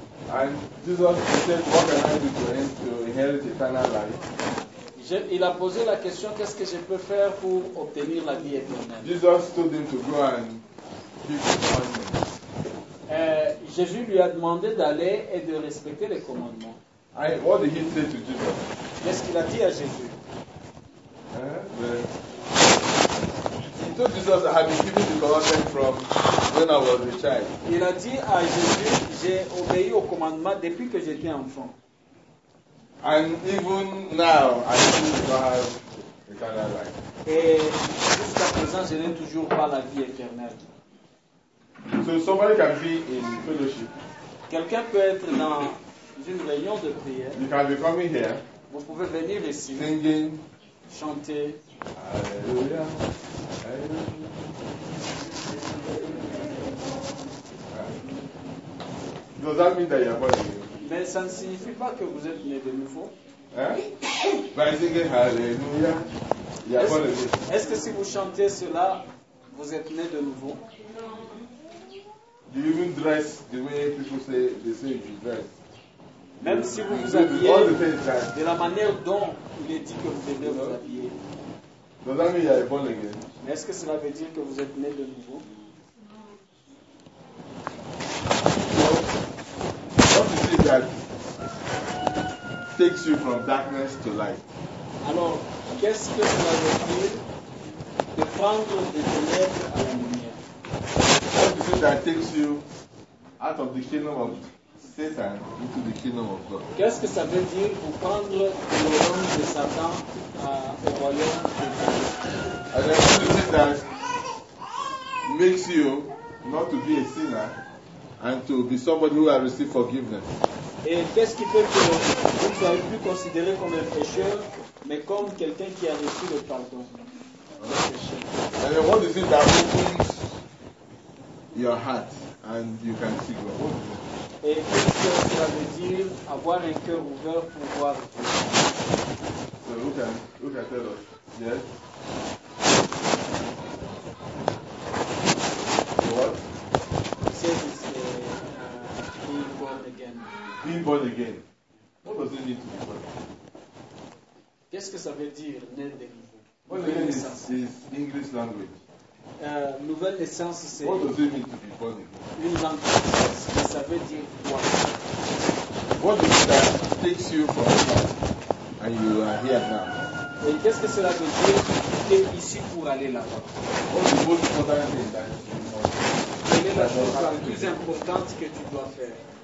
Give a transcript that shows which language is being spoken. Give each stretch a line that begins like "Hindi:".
English: And Jesus said, "What can I do to inherit eternal life?"
French: Il a posé la question, qu'est-ce que je peux faire pour obtenir la vie éternelle?
English: Jesus told him to go and keep the commandments.
French: Jésus lui a demandé d'aller et de respecter les commandements.
English: What did he say to Jesus?
French: Qu'est-ce qu'il a dit à Jésus?
English: He told Jesus, "I have been keeping the commandments from when I was a child."
French: Il a dit à Jésus, "J'ai obéi aux commandements depuis que j'étais enfant."
English: And even now, I still don't have eternal life.
French: Et jusqu'à présent, je n'ai toujours pas la vie éternelle.
English: So somebody can be in fellowship.
French: Quelqu'un peut être dans une réunion de prière.
English: You can be coming here.
French: Vous pouvez venir ici.
English: Singing.
French: Chanter. Alléluia.
English: Does that mean that you are born again?
French: Mais ça ne signifie pas que vous êtes né de nouveau.
English: By singing Alléluia, you are born again.
French: Est-ce que si vous chantez cela, vous êtes né de nouveau? Non.
English: Do you even dress the way people say they say you dress?
French: Même si vous vous habillez de la manière dont il est dit que vous devez vous habiller.
English: Does that mean you are born again?
French: Est-ce que cela veut dire que vous êtes né de nouveau?
English: What is it that takes you from darkness to light?
French: Alors, qu'est-ce que cela veut dire de prendre des ténèbres à la lumière.
English: Everything that takes you out of the kingdom of Satan into the kingdom of God.
French: Qu'est-ce que ça veut dire pour prendre le royaume de Satan au royaume de Dieu?
English: And everything that makes you not to be a sinner and to be somebody who has received forgiveness.
French: Et qu'est-ce qui fait que vous ne soyez plus considéré comme un pécheur, mais comme quelqu'un qui a reçu le pardon?
English: And then what is it that opens your heart and you can see God?
French: Et qu'est-ce que ça veut dire avoir un cœur ouvert pour voir Dieu?
English: So who can tell us? Yes? What? Says it's being born again. Being born again. What does it mean to be born?
French: Qu'est-ce que ça veut dire, naître de nouveau?
English: What again is English language?
French: Nouvelle naissance, c'est.
English: What does it mean to be born again?
French: Une langue française. Mais ça veut dire quoi?
English: What is it that takes you from here and you are here now?
French: Et qu'est-ce que cela veut dire quitter ici pour aller là-bas?
English: What is the most important thing that
French: quelle est la chose la plus importante que tu dois faire?